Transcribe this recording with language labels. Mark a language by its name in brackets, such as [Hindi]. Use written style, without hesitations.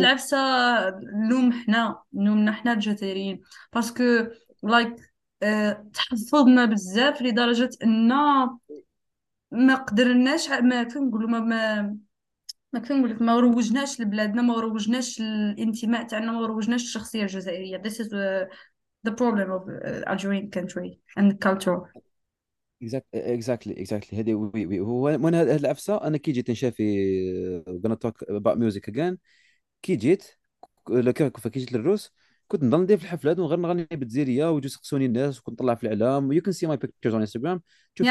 [Arabic] العفسه نوم، حنا نومنا حنا الجزائريين باسكو لايك تحفظنا بزاف لدرجه ان ما قدرناش، ما كيف نقولوا، ما كيف نقول لك، ما روجناش لبلادنا، ما روجناش الانتماء تاعنا، ما روجناش الشخصيه الجزائريه. [English] This is the problem of Algerian country and culture. exactly [Arabic] هذه وي هو من هذه العفسه. انا كي جيت نشافي [English] gonna talk about music again [Arabic] كي جيت لوكا كي جيت للروس كنت نضل ندير في الحفلات ونغير نغني بالجزيريه ويجوا يسقسوني الناس وكنت نطلع في الاعلام [English] you can see my pictures on Instagram [Arabic] تشوفي